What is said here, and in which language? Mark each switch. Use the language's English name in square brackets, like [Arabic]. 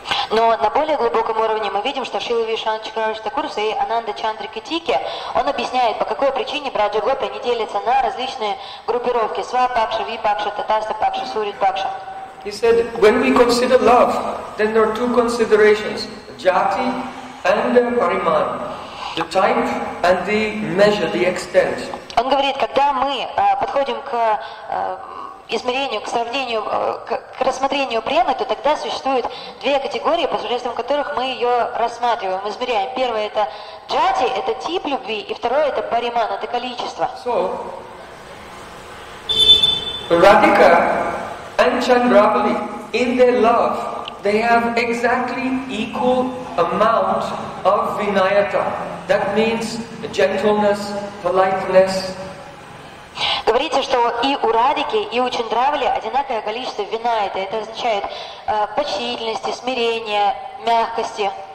[Russian] Но на более глубоком уровне мы видим, что Шрила Вишвана Чакраварти Такур и Ананда Чандрика Тики, он объясняет, по какой причине Браджа Гопи не делятся на различные группировки: Свапакша, Випакша, Татаста Пакша, Сурипакша. [English] He said, when we consider love, then there are two considerations: jati and pariman, the type and the measure, the extent. [Russian] Он говорит, когда мы подходим к измерению, к сравнению, к рассмотрению премы, то тогда существуют две категории, посредством которых мы ее рассматриваем, измеряем. Первое — это джати, это тип любви, и второе — это париман, это количество. [English] So, Radhika and Chandravali, in their love, they have exactly equal amount of vinayata. That means gentleness, politeness. [Russian] Говорится, что и у Радики, и у Чандравали одинаковое количество винаята. Это означает почтительности, смирения, мягкости.